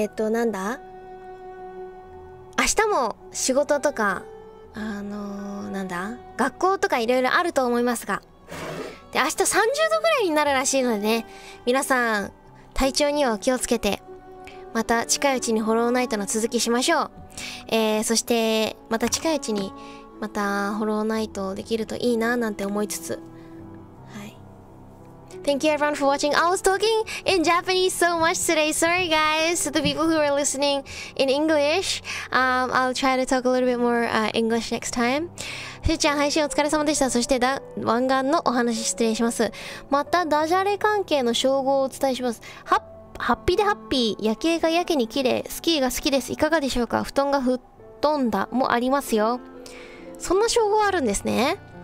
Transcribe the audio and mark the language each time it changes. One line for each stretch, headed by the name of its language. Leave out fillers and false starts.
Japanese: なんだ、明日も仕事とか、なんだ、学校とかいろいろあると思いますが、で、明日30度ぐらいになるらしいのでね、皆さん体調にはお気をつけて、また近いうちにホローナイトの続きしましょう。そしてまた近いうちにまたホローナイトできるといいななんて思いつつ、
English: Thank you everyone for watching. I was talking in Japanese so much today. Sorry guys, the people who are listening in English. I'll try to talk a little bit more English next time.
Japanese: ふーちゃん、配信お疲れ様でした。そして、湾岸のお話失礼します。また、ダジャレ関係の称号をお伝えします。ハッピーでハッピー。夜景がやけに綺麗。スキーが好きです。いかがでしょうか？布団が吹っ飛んだもありますよ。そんな称号あるんですね。